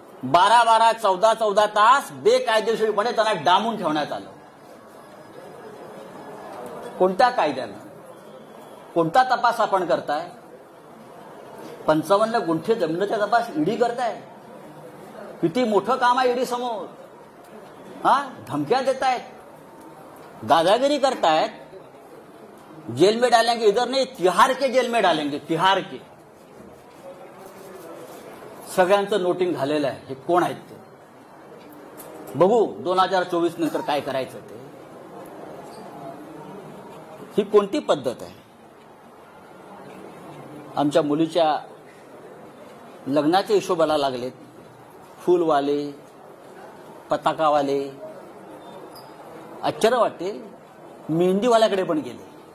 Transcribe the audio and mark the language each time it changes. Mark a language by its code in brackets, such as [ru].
[mr] 12-12, 14-14 तास बेकायदेशीरपणे त्यांना डांबून ठेवण्यात आलं. कोणत्या कायद्यानं कोणता तपास आपण करताय? 55 गुंठे जमिनीचा तपास ईडी करताय. किती मोठं काम आहे ईडी समोर. हा, धमक्या देतायत, दादागिरी करतायत, [hi] जेल में डालेंगे, इधर नाही तिहार के जेल में डालेंगे, तिहार के. [mr] सगळ्यांचं नोटिंग झालेलं आहे. हे कोण आहेत ते बघू 2024 नंतर काय करायचं ते. ही कोणती पद्धत आहे? आमच्या मुलीच्या लग्नाच्या हिशोबाला लागलेत फुलवाले पताकावाले, आश्चर्य वाटते मेहंदीवाल्याकडे पण गेले.